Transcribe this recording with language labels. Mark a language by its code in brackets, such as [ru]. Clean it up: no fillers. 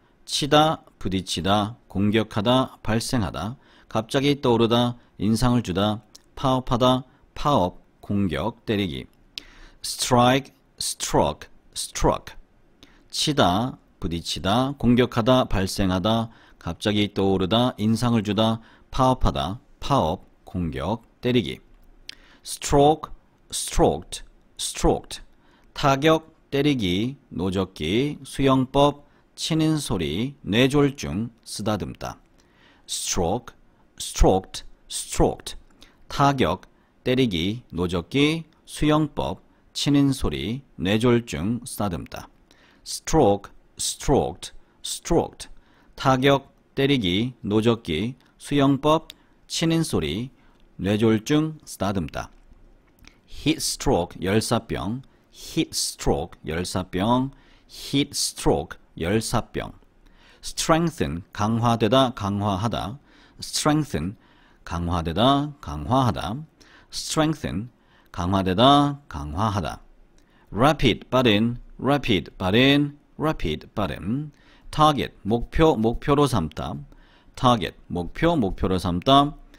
[ko] 치다, 부딪히다, 공격하다, 발생하다, 갑자기 떠오르다, 인상을 주다, 파업하다, 파업, 공격, 때리기. [en] strike, struck, struck. [ko] 치다, 부딪히다, 공격하다, 발생하다, 갑자기 떠오르다, 인상을 주다, 파업하다, 파업, 공격, 때리기. [en] stroke, stroked, stroked. [ko] 타격, 때리기, 노젓기, 수영법, 치는 소리, 뇌졸중, 쓰다듬다. [en] stroke, stroked, stroked. [ko] 타격, 때리기, 노젓기, 수영법, 치는 소리, 뇌졸중, 쓰다듬다. [en] stroke, stroked, stroked. [ko] 타격, 때리기, 노젓기, 수영법, 치는 소리, 뇌졸중, 쓰다듬다. [en] heat stroke, 열사병. heat stroke, 열사병. heat stroke, 열사병. [ko] strengthen, 강화되다, 강화하다. strengthen, 강화되다, 강화하다. strengthen, 강화되다, 강화하다. [en] rapid, 빠른. rapid, 빠른. rapid, 빠른. [ko] target, 목표, 목표로 삼다. target, 목표, 목표로 삼다.